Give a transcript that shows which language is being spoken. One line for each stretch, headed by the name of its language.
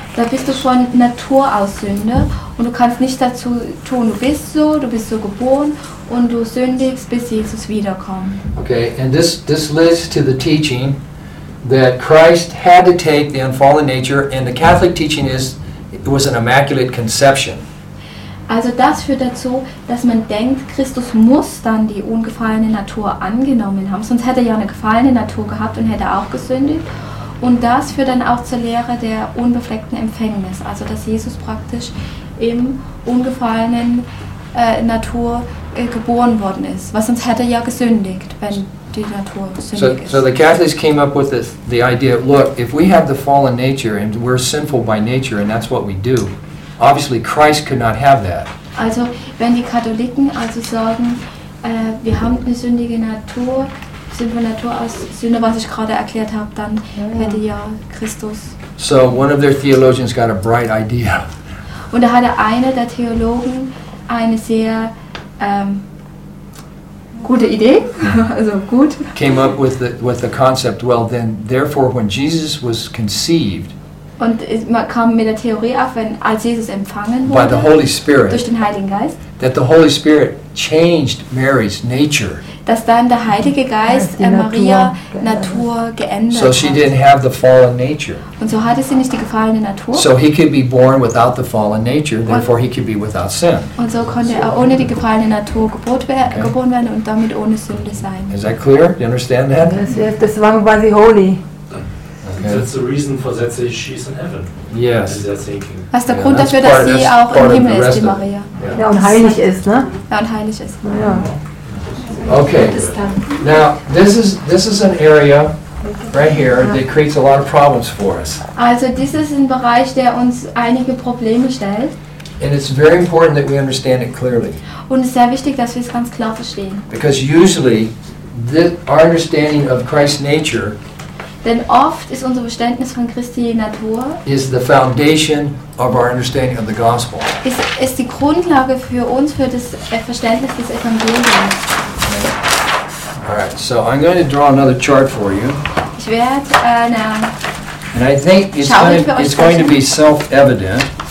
German: Da bist du von Natur aus Sünder und du kannst nicht dazu tun. Du bist so geboren und du sündigst, bis Jesus wiederkommt.
English: Okay, and this leads to the teaching that Christ had to take the unfallen nature, and the Catholic teaching is it was an immaculate conception.
German: Also das führt dazu, dass man denkt, Christus muss dann die ungefallene Natur angenommen haben, sonst hätte er ja eine gefallene Natur gehabt und hätte auch gesündigt. Und das führt dann auch zur Lehre der unbefleckten Empfängnis, also dass Jesus praktisch im ungefallenen Natur geboren worden ist, was sonst hätte er ja gesündigt, wenn die Natur sündig ist.
English: So the Catholics came up with the idea, look, if we have the fallen nature and we're sinful by nature and that's what we do, obviously Christ could not have that.
German: Also wenn die Katholiken also sagen, wir haben eine sündige Natur, sind von Natur aus Sünder, was ich gerade erklärt habe, dann hätte ja Christus.
English: So one of their theologians got a bright idea.
German: Und da hatte einer der Theologen eine sehr gute Idee. Also gut.
English: Came up with the concept, well then therefore when Jesus was conceived.
German: Und man kam mit der Theorie auf, wenn als Jesus empfangen wurde
English: by the Holy Spirit,
German: durch den Heiligen Geist,
English: that the Holy Spirit changed Mary's nature.
German: Dass dann der Heilige Geist Maria Natur geändert hat.
English: So she didn't have the fallen nature.
German: Und so hatte sie nicht die gefallene Natur.
English: So he could be born without the fallen nature, therefore he could be without sin.
German: Und so konnte er ohne die gefallene Natur geboren werden und damit ohne Sünde sein.
English: Is that clear? Do you understand that?
German: Das war quasi holy.
English: Okay. That's the reason for that she's in heaven. Yes.
German: Was der Grund dafür, dass sie auch im Himmel ist, die Maria. Ja, und heilig ist, ne? Ja, und heilig ist. Ja.
English: Okay. Now, this is an area right here that creates a lot of problems for us.
German: Also,
English: this is
German: ein Bereich, der uns einige Probleme stellt.
English: And it's very important that we understand it clearly.
German: Und es ist sehr wichtig, dass wir es ganz klar verstehen.
English: Because usually, our understanding of Christ's nature.
German: Denn oft ist unser Verständnis von Christi Natur
English: is the foundation of our understanding of the gospel.
German: Ist die Grundlage für uns für das Verständnis des Evangeliums.
English: All right, so I'm going to draw another chart for you.
German: Ich werde
English: And I think it's going to be self-evident.